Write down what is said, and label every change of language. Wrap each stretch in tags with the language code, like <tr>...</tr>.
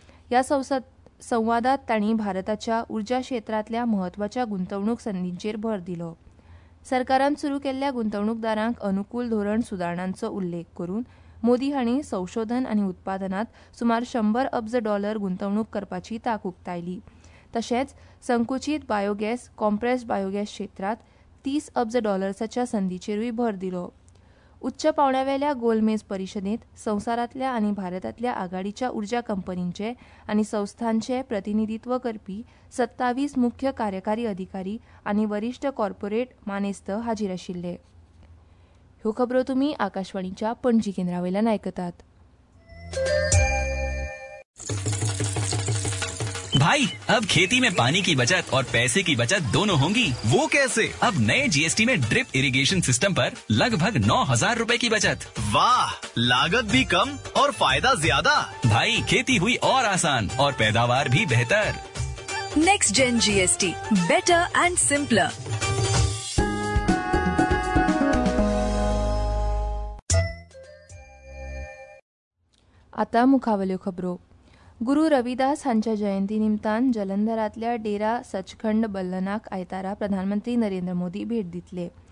<kok>ह्या संवादात तांणी भारताच्या उर्जा क्षेत्रातल्या म्हत्वाच्या गुंतवणूक संदींचेर भर दिलो. सरकारान सुरू केल्ल्या गुंतवणूकदारांक अनुकूल धोरण सुदारणांचो उल्लेख करून मोदी हांणी संशोधन आनी उत्पादनात सुमार 100 अब्ज डॉलर गुंतवणूक करपाची तांक उक्तायली. तशेंच संकुचीत बायोगॅस कॉम्प्रेस्ड बायोगॅस क्षेत्रांत 30 अब्ज डॉलर्साच्या संदीचेरूय भर दिलो. उच्च पावण्यावेल्या गोलमेज परिषदेंत संवसारांतल्या आनी भारतांतल्या आघाडीच्या उर्जा कंपनींचे आनी संस्थांचे प्रतिनिधित्व करपी 27 मुख्य कार्यकारी अधिकारी आनी वरिश्ठ कॉर्पोरेट मानेस्त हाजीर आशिल्ले. ह्यो खबरो तुमी आकाशवाणीच्या पणजी केंद्रावेल्यान आयकतात.</kok> <hi>भाई अब खेती में पानी की बचत और पैसे की बचत दोनों होंगी. वो कैसे? अब नए GST में ड्रिप इरिगेशन सिस्टम पर लगभग 9,000 रुपए की बचत. वाह, लागत भी कम और फायदा ज्यादा. भाई खेती हुई और आसान और पैदावार भी बेहतर.</hi> <en>Next gen GST, better and simpler.</en> <kok>आता मुखावल्यो खबरो. गुरू रविदास हांच्या जयंती निमतान जलंधरातल्या डेरा सचखंड बल्लनाक आयतारा प्रधानमंत्री नरेंद्र मोदी भेट दितले.</kok>